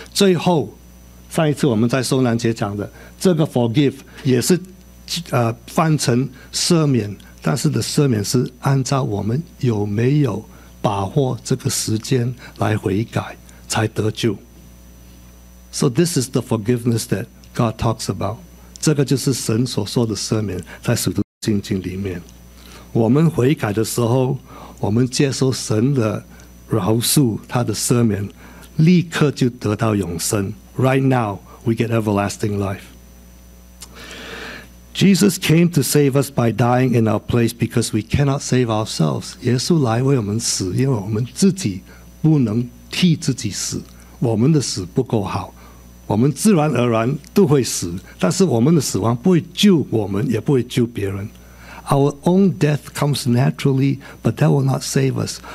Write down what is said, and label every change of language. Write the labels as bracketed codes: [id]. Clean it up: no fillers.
[zh] 最后上一次我们在圣诞节讲的这个 forgive 也是翻成赦免，但是的赦免是按照我们有没有把握这个时间来悔改才得救。 [en] So this is the forgiveness that God talks about. [zh] 这个就是神所说的赦免，在使徒信经里面。我们悔改的时候，我们接受神的饶恕，他的赦免，立刻就得到永生。 [en] Right now, we get everlasting life. Jesus came to save us by dying in our place because we cannot save ourselves. [zh] 耶稣来为我们死，因为我们自己不能替自己死，我们的死不够好，我们自然而然都会死，但是我们的死亡不会救我们，也不会救别人。 [en] Our own death comes naturally, but that will not save us.